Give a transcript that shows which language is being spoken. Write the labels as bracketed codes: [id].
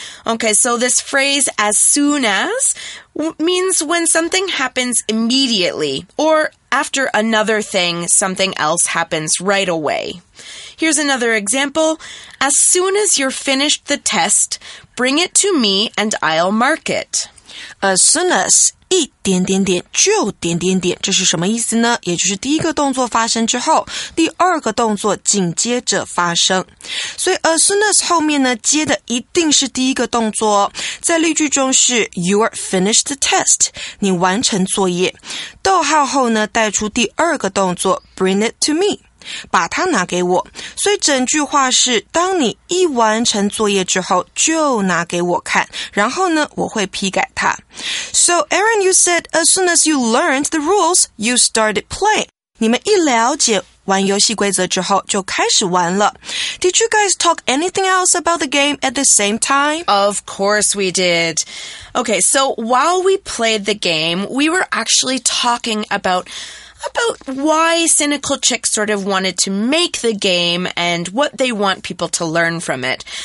[en] Okay, so this phrase, as soon as, means when something happens immediately, or after another thing, something else happens right away. Here's another example. As soon as you're finished the test, bring it to me and I'll mark it. [zh] As soon as, 一点点点就点点点，这是什么意思呢？也就是第一个动作发生之后，第二个动作紧接着发生。所以 as soon as 后面呢，接的一定是第一个动作。在例句中是 [en] you're finished the test， [zh] 你完成作业。逗号后呢，带出第二个动作 [en] bring it to me。 [zh] 把它拿给我。所以整句话是当你一完成作业之后就拿给我看，然后呢我会批改它。 [en] So Aaron, you said as soon as you learned the rules, you started playing. [zh] 你们一了解玩游戏规则之后就开始玩了。 [en] Did you guys talk anything else about the game at the same time? Of course we did. Okay, so while we played the game, we were actually talking about why Cynical Chick sort of wanted to make the game and what they want people to learn from it.